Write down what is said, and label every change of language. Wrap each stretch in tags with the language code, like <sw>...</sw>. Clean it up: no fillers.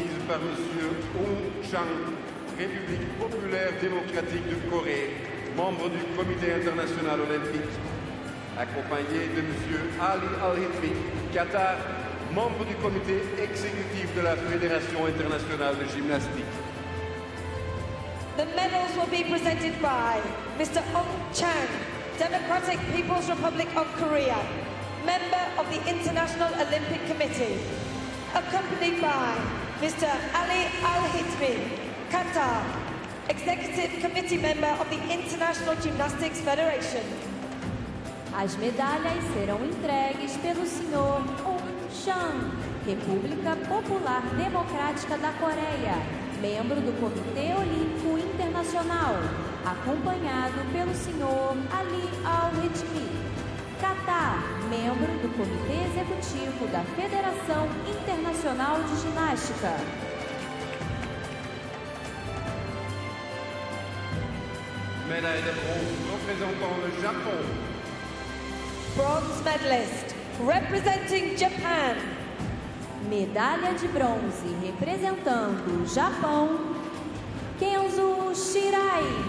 <fr>Par Monsieur Oh Chang, République populaire démocratique de Corée, membre du Comité international olympique, accompagné de Monsieur Ali Al-Hitri, Qatar, membre du comité exécutif de la Fédération internationale de gymnastique.</fr> <en>the medals will be presented by Mr. Ong Chang, Democratic People's Republic of Korea, member of the International Olympic Committee, accompanied by Mr. Ali Al-Hitmi, Qatar, Executive Committee Member of the International Gymnastics Federation.</en> <pt>As medalhas serão entregues pelo Sr. Ong Chang, República Popular Democrática da Coreia, membro do Comitê Olímpico Internacional, acompanhado pelo Sr. Ali Al-Hitmi, Qatar, membro do Comitê Executivo da Federação Internacional de Ginástica.</pt> <fr>Médaille de bronze représentant le Japon.</fr> <en>Bronze medalist representing Japan.</en> <pt>Medalha de bronze representando o Japão, Kenzo Shirai.</pt>